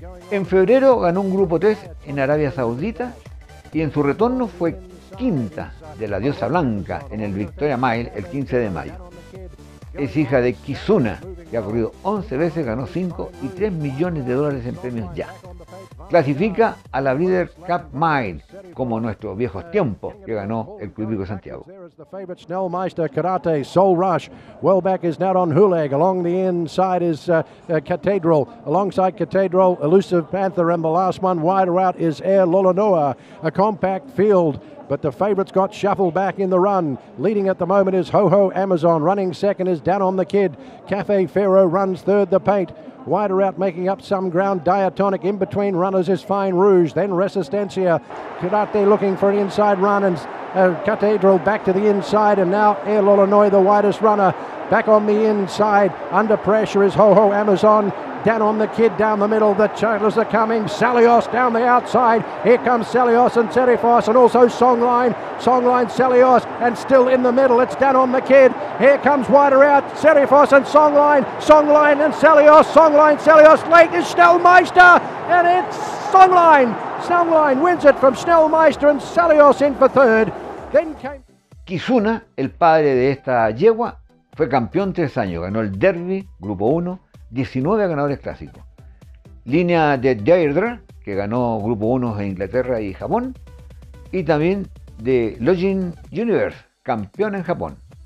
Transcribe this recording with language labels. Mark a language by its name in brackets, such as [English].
[Spanish] En febrero ganó un grupo 3 en Arabia Saudita y en su retorno fue quinta de la diosa blanca en el Victoria Mile el 15 de mayo. Es hija de Kizuna, que ha corrido 11 veces, ganó 5 y 3 millones de dólares en premios ya. Clasifica a la Breeders' Cup Mile, como nuestros viejos tiempos, que ganó el Club Hípico Santiago. [English] Snellmeister Karate, Soul Rush, Wellbeck is now on Huleg, along the inside is Cathedral, alongside Cathedral, Elusive Panther, and the last one wider out is Air Lolanoa, a compact field. But the favorites got shuffled back in the run. Leading at the moment is Ho-Ho Amazon. Running second is Down on the Kid. Cafe Pharaoh runs third the paint. Wider out making up some ground. Diatonic in between runners is Fine Rouge. Then Resistencia. Karate looking for an inside run. And Cathedral back to the inside. And now Air Lolanoi, the widest runner. Back on the inside. Under pressure is Ho-Ho Amazon. Down on the Kid, down the middle, the Chandlers are coming. Salios down the outside. Here comes Salios and Serifos and also Songline. Songline, Salios, and still in the middle. It's down on the Kid. Here comes wider out, Serifos and Songline. Songline and Salios. Songline, Salios. Late is Snellmeister, and it's Songline. Songline wins it from Snellmeister and Salios in for third. Then came [Spanish] Kizuna, el padre de esta yegua, fue campeón 3 años. Ganó el Derby, Grupo 1. 19 ganadores clásicos. Línea de Deirdre, que ganó Grupo 1 en Inglaterra y Japón. Y también de Login Universe, campeón en Japón.